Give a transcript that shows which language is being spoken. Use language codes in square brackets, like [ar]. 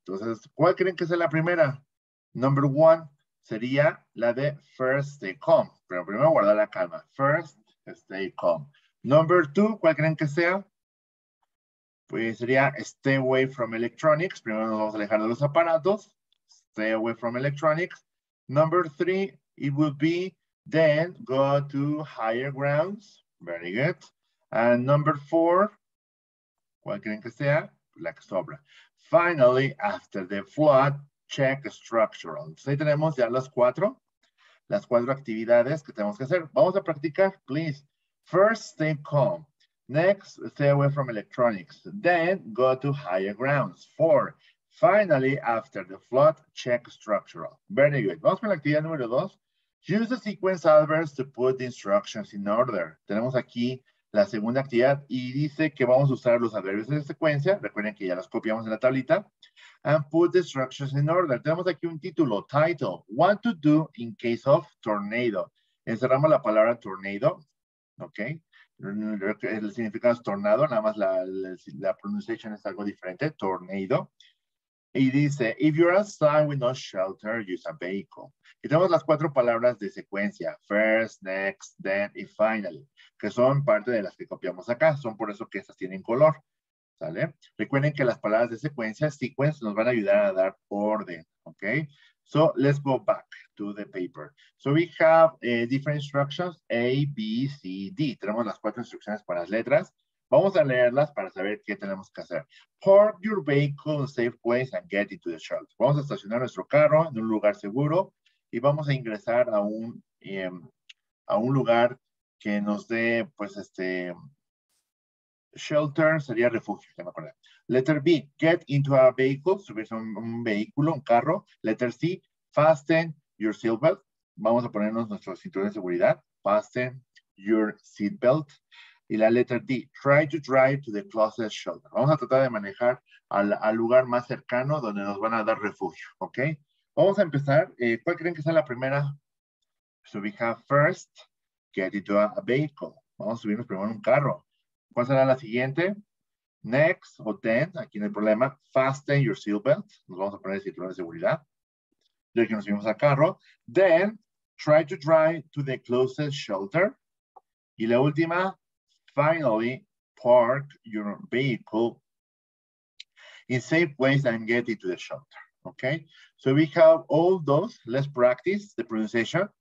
[es] Entonces, ¿cuál creen que sea la primera? [en] Number one [es] sería la de [en] first, stay calm. [es] Pero primero guardar la calma. [en] First, stay calm. Number two, [es] ¿cuál creen que sea? Pues sería [en] stay away from electronics. [es] Primero nos vamos a alejar de los aparatos. [en] Stay away from electronics. Number three, it would be then go to higher grounds. Very good. And number four, [es] ¿cuál creen que sea? La que sobra. [en] Finally, after the flood, check structural. [es] Ahí tenemos ya las cuatro actividades que tenemos que hacer. Vamos a practicar, [en] please. First, stay calm. Next, stay away from electronics. Then, go to higher grounds. Four, finally, after the flood, check structural. Very good. [es] Vamos con la actividad número dos. [en] Use the sequence adverbs to put the instructions in order. [es] Tenemos aquí la segunda actividad y dice que vamos a usar los adverbios de secuencia. Recuerden que ya los copiamos en la tablita. [en] And put the instructions in order. [es] Tenemos aquí un título, [en] title. What to do in case of tornado. [es] Encerramos la palabra tornado. [en] Ok. [es] El significado es tornado, nada más la pronunciación es algo diferente, tornado. Y dice, [en] if you're outside with no shelter, use a vehicle. [es] Y tenemos las cuatro palabras de secuencia, first, next, then y finally, que son parte de las que copiamos acá, son por eso que estas tienen color, ¿sale? Recuerden que las palabras de secuencia, sequence, nos van a ayudar a dar orden, ¿ok? [en] So, let's go back to the paper. So, we have different instructions, A, B, C, D. [es] Tenemos las cuatro instrucciones para las letras. Vamos a leerlas para saber qué tenemos que hacer. [en] Park your vehicle in a safe place and get into the shelter. [es] Vamos a estacionar nuestro carro en un lugar seguro y vamos a ingresar a un lugar que nos dé, pues, shelter sería refugio, ya me acordé. [en] Letter B, get into a vehicle, [es] subirse a un vehículo, un carro. [en] Letter C, fasten your seatbelt. [es] Vamos a ponernos nuestro cinturón de seguridad. [en] Fasten your seatbelt. [es] Y la letra D, [en] try to drive to the closest shelter. [es] Vamos a tratar de manejar al lugar más cercano donde nos van a dar refugio, ¿ok? Vamos a empezar. ¿Cuál creen que sea la primera? [en] So we have first, get into a vehicle. [es] Vamos a subirnos primero en un carro. ¿Cuál será la siguiente? Next o then, aquí no hay problema. [en] Fasten your seatbelt. [es] Nos vamos a poner el cinturón de seguridad. Ya que nos subimos al carro. [en] Then, try to drive to the closest shelter. [es] Y la última, [en] finally, park your vehicle in safe place and get into the shelter. Okay? So we have all those. Let's practice the pronunciation.